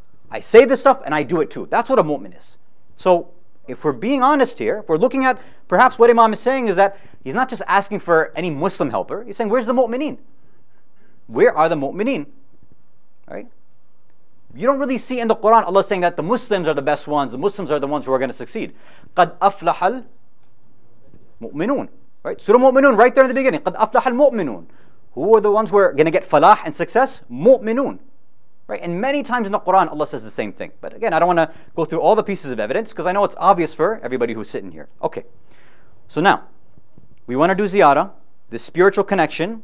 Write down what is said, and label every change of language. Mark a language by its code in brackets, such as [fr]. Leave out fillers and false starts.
[en] I say this stuff, and I do it too. That's what a mu'min is. So, if we're being honest here, if we're looking at perhaps what Imam is saying is that he's not just asking for any Muslim helper. He's saying, where's the mu'mineen? Where are the mu'mineen? Right? You don't really see in the Quran Allah saying that the Muslims are the best ones. The Muslims are the ones who are going to succeed. [ar] قَدْ أَفْلَحَ الْمُؤْمِنُونَ Right? [en] Surah Mu'minun right there in the beginning. [ar] قَدْ أَفْلَحَ الْمُؤْمِنُونَ [en] Who are the ones who are going to get falah and success? Mu'minun. Right, and many times in the Quran, Allah says the same thing. But again, I don't want to go through all the pieces of evidence because I know it's obvious for everybody who's sitting here. Okay, so now, we want to do ziyarah, the spiritual connection.